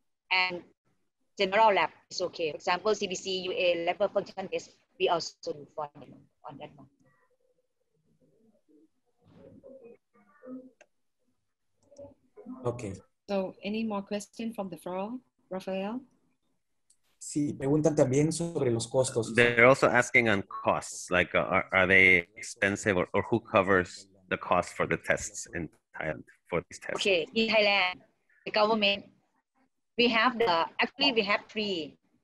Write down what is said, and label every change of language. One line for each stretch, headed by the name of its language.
English: And general lab is okay. For example, CBC, UA, level function test, we also do for them on that one. Okay. So any more questions from the floor, Rafael?
Spanish: Sí, preguntan también sobre los costos.
English: They're also asking on costs, like are they expensive or who covers the cost for the tests in Thailand for these tests? Okay, in Thailand, the government, we have three.